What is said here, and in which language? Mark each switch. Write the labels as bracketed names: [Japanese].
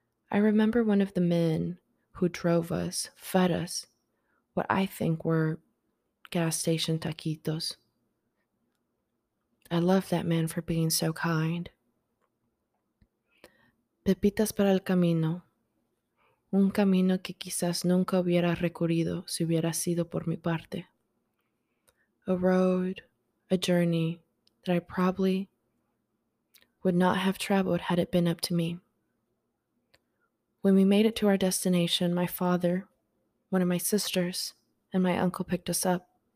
[English] I remember one of the men who drove us, fed us, what I think were gas station taquitos. I love that man for being so kind. [Spanish] Pepitas para el camino. Un camino que quizás nunca hubiera recorrido si hubiera sido por mi parte. [English] A road, a journey that I probably would not have traveled had it been up to me. When we made it to our destination, my father, one of my sisters, and my uncle picked us up.